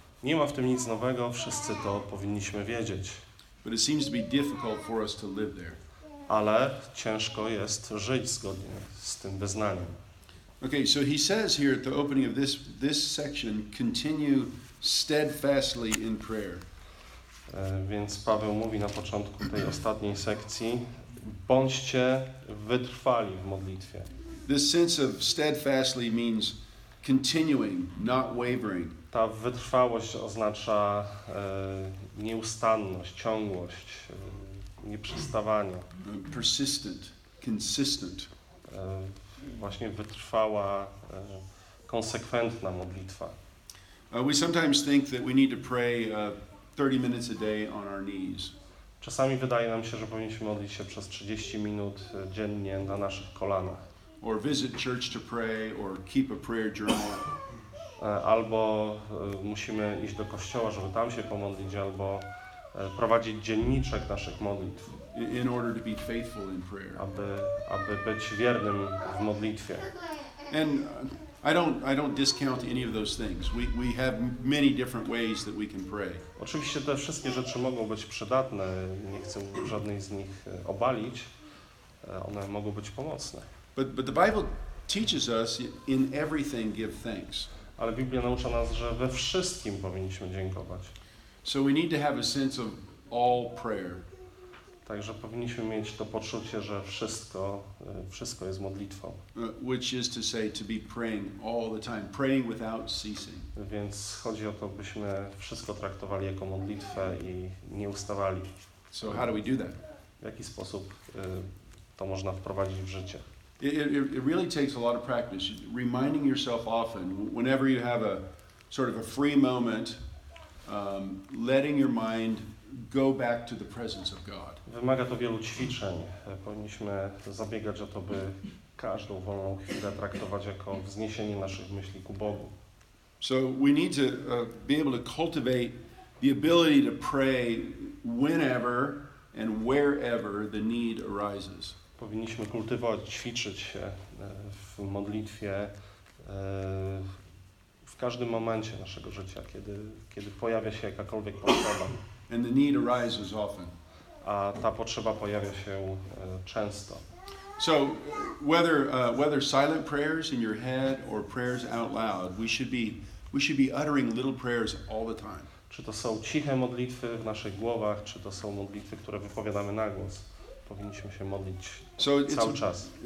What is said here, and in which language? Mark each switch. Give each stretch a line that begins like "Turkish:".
Polish: Nie ma w tym nic nowego, wszyscy to powinniśmy wiedzieć.
English: But it seems to be difficult for us to live there.
Polish: Ale ciężko jest żyć zgodnie z tym wyznaniem.
English: Okay, so he says here at the opening of this section, continue steadfastly in prayer.
Polish: Więc Paweł mówi na początku tej ostatniej sekcji, bądźcie wytrwali w modlitwie.
English: This sense of steadfastly means continuing, not wavering.
Polish: Ta wytrwałość oznacza nieustanność, ciągłość, nieprzestawanie.
English: Persistent, consistent.
Polish: Właśnie wytrwała, konsekwentna modlitwa.
English: We sometimes think that we need to pray 30 minutes a day on our knees.
Polish: Czasami wydaje nam się, że powinniśmy modlić się przez 30 minut dziennie na naszych kolanach.
English: Or visit church to pray, or keep a prayer journal.
Polish: Albo musimy iść do kościoła, żeby tam się pomodlić, albo prowadzić dzienniczek naszych modlitw.
English: In order to be faithful in prayer.
Polish: Aby być wiernym w modlitwie.
English: And I don't discount any of those things. We have many different ways that we can pray.
Polish: Oczywiście te wszystkie rzeczy mogą być przydatne. Nie chcę żadnej z nich obalić. One mogą być pomocne.
English: But the Bible teaches us in everything give thanks.
Polish: Ale Biblia naucza nas, że we wszystkim powinniśmy dziękować.
English: So we need to have a sense of all prayer.
Polish: Także powinniśmy mieć to poczucie, że wszystko jest modlitwą.
English: Which is to say to be praying all the time, praying without ceasing.
Polish: Więc chodzi o to, byśmy wszystko traktowali jako modlitwę i nie ustawali.
English: So how do we do that?
Polish: W jaki sposób to można wprowadzić w życie?
English: It really takes a lot of practice, reminding yourself often, whenever you have a sort of a free moment, letting your mind go back to the presence of God.
Polish: Wymaga to wielu ćwiczeń. Powinniśmy zabiegać o to, by każdą wolną chwilę traktować jako wzniesienie naszych myśli ku Bogu.
English: So we need to be able to cultivate the ability to pray whenever and wherever the need arises.
Polish: Powinniśmy kultywować, ćwiczyć się w modlitwie w każdym momencie naszego życia, kiedy pojawia się jakakolwiek potrzeba.
English: And the need arises often.
Polish: A ta potrzeba pojawia się często.
English: So whether silent prayers in your head or prayers out loud, we should be uttering little prayers all the time.
Polish: Czy to są ciche modlitwy w naszych głowach, czy to są modlitwy, które wypowiadamy na głos. Powinniśmy się modlić cały czas.